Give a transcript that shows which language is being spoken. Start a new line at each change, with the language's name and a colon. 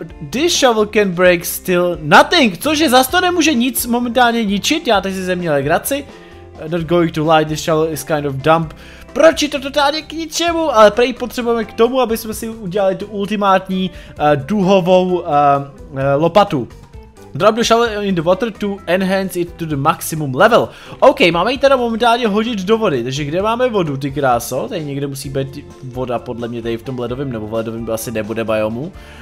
English: This shovel can break still nothing,
Czech: cože zas to nemůže nic momentálně ničit, já tady si ze mě legraci.
English: Not going to lie, this shovel is kind of dumb.
Czech: Proč je to totálně k ničemu, ale prej potřebujeme k tomu, aby jsme si udělali tu ultimátní duhovou lopatu.
English: Drop the shovel in the water to enhance it to the maximum level.
Czech: OK, máme ji teda momentálně hodit do vody, takže kde máme vodu, ty kráso? Tady někde musí být voda podle mě tady v tom ledovém, nebo v ledovém asi nebude biomu.